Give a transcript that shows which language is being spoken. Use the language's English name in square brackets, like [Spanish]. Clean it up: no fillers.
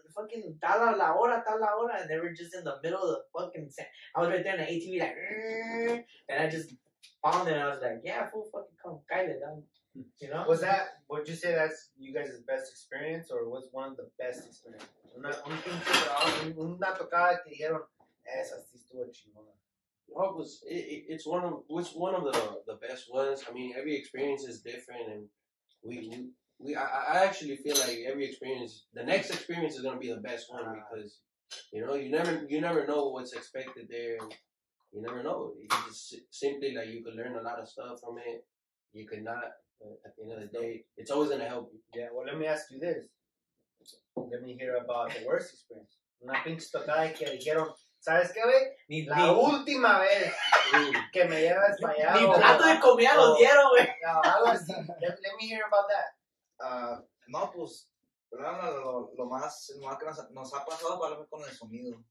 [English] Fucking [Spanish] tal la hora, [English] and they were just in the middle of the fucking set. I was right there in the ATV, like, and I just found it, and I was like, yeah, full fucking come, kind of done. You know? Was that, would you say that's you guys' best experience, or was one of the best experiences? [Spanish] Una tocada que dijeron, esa sí estuvo chingona. [English] Well, it's one of the best ones. I mean, every experience is different, and I actually feel like every experience, the next experience is gonna be the best one because, you know, you never know what's expected there. You never know. It's just simply like you could learn a lot of stuff from it. You could not. At the end of the day, it's always gonna help you. Yeah. Well, let me ask you this: Let me hear about the worst experience. [Spanish] Una pinche tocada que dijeron, ¿sabes qué, güey? Ni la última vez que me llevas para allá. Ni plato de comida lo dieron, güey. Algo así. [English] Let me hear about that. [Spanish] No, pues, lo más que nos ha pasado para lo mejor con el sonido.